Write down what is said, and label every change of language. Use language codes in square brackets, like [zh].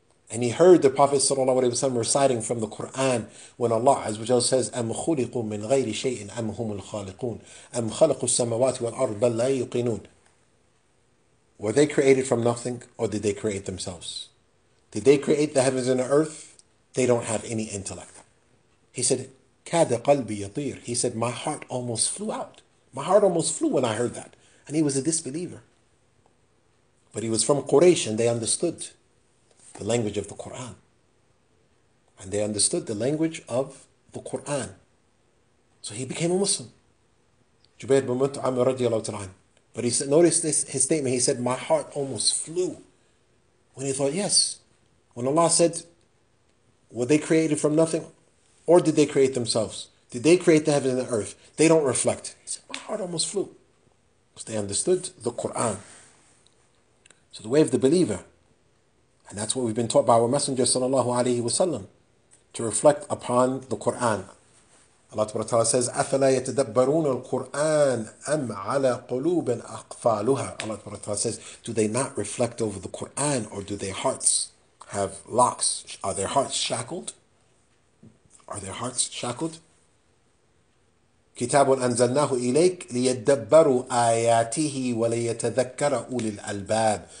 [en] And he heard the Prophet sallallahu alaihi wasallam reciting from the Quran when Allah azza wa jalla says, [ar] أَمْ خُلِقُوا مِنْ غَيْرِ شَيْءٍ أَمْ هُمُ الْخَالِقُونَ أَمْ خَلَقُوا السَّمَوَاتِ وَالْأَرْضِ بَلْ لَا يُقِينُونَ. [en] Were they created from nothing, or did they create themselves? Did they create the heavens and the earth? They don't have any intellect. He said, [ar] كَادَ قَلْبِ يَطِيرُ. [en] He said, my heart almost flew out. My heart almost flew when I heard that. And he was a disbeliever. But he was from Quraysh, and they understood the language of the Quran. And they understood the language of the Quran. So he became a Muslim. Jubayr bin Mut'am radiallahu ta'ala. But he said, notice this, his statement, he said, my heart almost flew. When he thought, yes, when Allah said, were they created from nothing? Or did they create themselves? Did they create the heaven and the earth? They don't reflect. He said, my heart almost flew. Because they understood the Quran. So the way of the believer, and that's what we've been taught by our Messenger, sallallahu alayhi wa sallam, to reflect upon the Quran. [ar] Allah subhanahu wa ta'ala says, أَفَلَا يَتَدَبَّرُونَ الْقُرْآنَ أَمْ عَلَى قُلُوبٍ أَقْفَالُهَا. [en] Allah subhanahu wa ta'ala says, do they not reflect over the Quran, or do their hearts have locks? Are their hearts shackled? Are their hearts shackled? [ar] كِتَابٌ أَنزَلْنَاهُ إِلَيْكَ لِيَدَّبَّرُوا آيَاتِهِ وَلِيَتَذَكَّرَ أُولِي الْأَلْبَابِ.